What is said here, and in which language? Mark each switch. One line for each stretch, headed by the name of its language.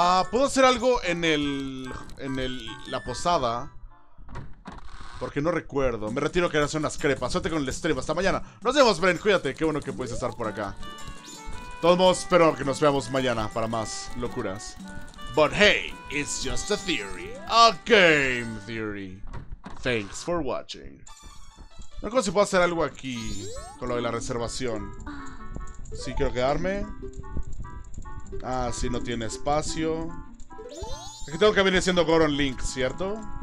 Spanish: Puedo hacer algo en el... en el... la posada. Porque no recuerdo. Me retiro que era hacer unas crepas. Suerte con el stream. Hasta mañana. Nos vemos, Bren. Cuídate. Qué bueno que puedes estar por acá. De todos modos, espero que nos veamos mañana para más locuras.
English: But hey, it's just a theory. A game theory. Thanks for watching.
Spanish: No sé si puedo hacer algo aquí. Con lo de la reservación. Sí, quiero quedarme. Ah, sí, no tiene espacio. Aquí tengo que venir siendo Goron Link, ¿cierto?